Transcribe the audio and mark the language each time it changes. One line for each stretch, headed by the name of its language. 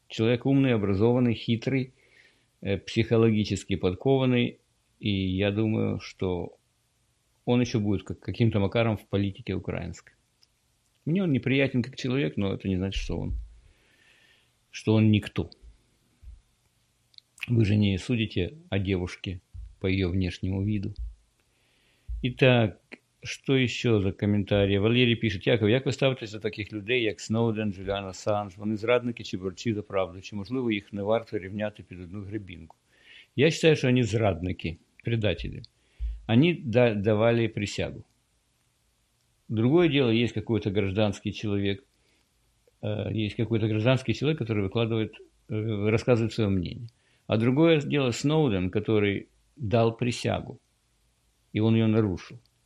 Russian: Человек умный, образованный, хитрый, психологически подкованный, и я думаю, что он еще будет каким-то макаром в политике украинской. Мне он неприятен как человек, но это не значит, что он никто. Вы же не судите о девушке по ее внешнему виду. Итак, что еще за комментарии? Валерий пишет:
Ukrainian: Яков, як ви ставитесь до таких людей, як Сноуден, Джуліан Ассанж? Вони зрадники чи борці за правду? Чи, можливо, їх не варто рівняти під одну гребінку?
Russian: Я считаю, что они зрадники, предатели. Они давали присягу. Другое дело, есть какой-то гражданский человек, который выкладывает, рассказывает свое мнение. А другое дело Сноуден, который дал присягу, и он ее нарушил.